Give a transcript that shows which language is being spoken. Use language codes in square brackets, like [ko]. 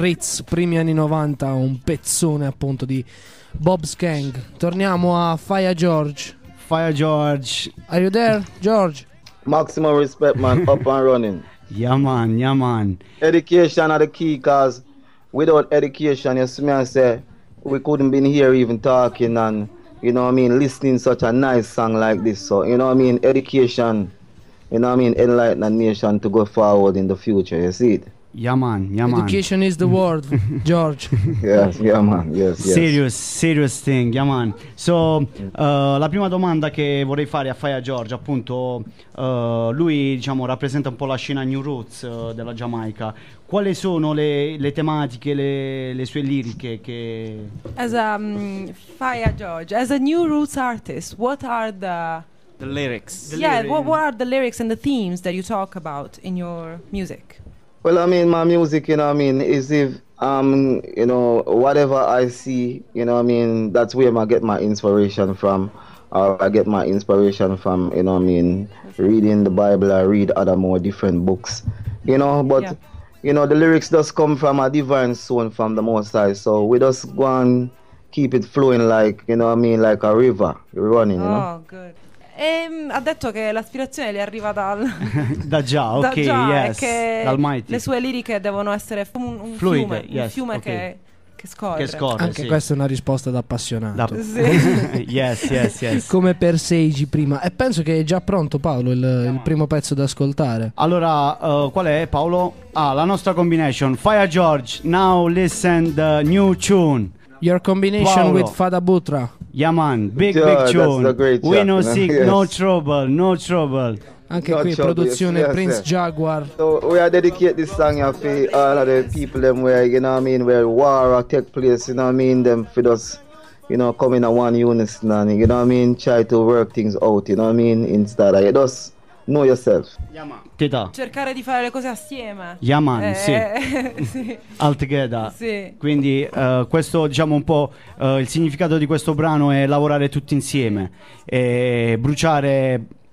[it] Ritz, primi anni 90, un pezzone appunto di Bob Skang. Torniamo a Fire George. Fire George. [en] Are you there, George? Maximum respect, man, up and running. Yeah, man, yeah, man. Education are the key, because without education, you see me, I say, we couldn't been here even talking and, you know what I mean, listening such a nice song like this. So, you know what I mean, education... You know what I mean? Enlighten a nation to go forward in the future, you see it? Yeah, man, yeah, man. Education is the word, George. Yes, yeah, man, yes, yes. Serious, serious thing, yeah, man. [it] So, la prima domanda che vorrei fare a Fire George, appunto, lui, diciamo, rappresenta un po' la scena New Roots della Giamaica. Quali sono le tematiche, le sue liriche che... [en] As a Fire George, as a New Roots artist, what are the... The lyrics. The yeah, lyrics. What are the lyrics and the themes that you talk about in your music? Well, I mean, my music, you know what I mean, is if, you know, whatever I see, you know what I mean, that's where I get my inspiration from. Or I get my inspiration from, you know what I mean, reading the Bible, I read other more different books, you know. But, yeah, you know, the lyrics just come from a divine soul from the Most High. So we just go and keep it flowing like, you know what I mean, like a river running, oh, you know. Oh, good. [it] E ha detto che l'aspirazione le arriva dal da già, ok, da già, [en] yes, [it] che le sue liriche devono essere un fluide, fiume, [en] yes, [it] un fiume [en] okay. [it] che, che scorre. Che scorre, anche sì. Questa è una risposta da appassionato. [en] Yes. [it] Come per Seiji prima. E penso che è già pronto, Paolo, il primo pezzo da ascoltare. Allora, qual è, Paolo? Ah, la nostra combination. [en] Fire George, now listen the new tune. Your combination, Paolo, with Fada Butra. Yaman, big tune. Great, we yeah. No seek, yes. no trouble. [it] Anche qui in produzione, yes, Prince, yes. Jaguar. [en] So we are dedicate this song here for all of the people them where, you know what I mean, where war or take place, you know what I mean, them for us, you know, come in a one unison, you know what I mean, try to work things out, you know what I mean, instead of you just know yourself. Yaman. Teta. [it] Cercare di fare le cose assieme. [en] Yaman, sì. Altogether. [it] Sì. Quindi questo, diciamo un po', il significato di questo brano è lavorare tutti insieme e bruciare...